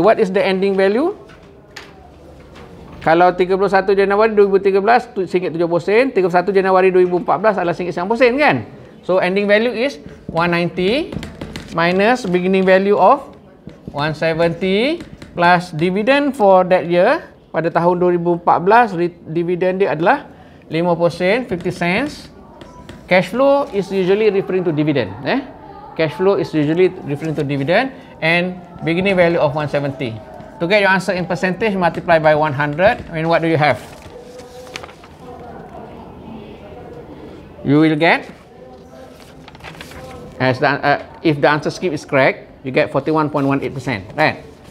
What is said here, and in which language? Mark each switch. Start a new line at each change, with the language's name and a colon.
English: What is the ending value?
Malay: Kalau 31 Januari 2013 RM1.70, 31 Januari 2014 adalah RM1.90 kan?
English: So ending value is 190 minus beginning value of 170 plus dividend for that year.
Malay: Pada tahun 2014, dividend dia adalah 5%, 50 cents.
English: Cash flow is usually referring to dividend. Cash flow is usually referring to dividend and beginning value of 170. To get your answer in percentage, multiply by 100. I mean, what do you have? You will get, if the answer scheme is correct, you get 41.18%, right?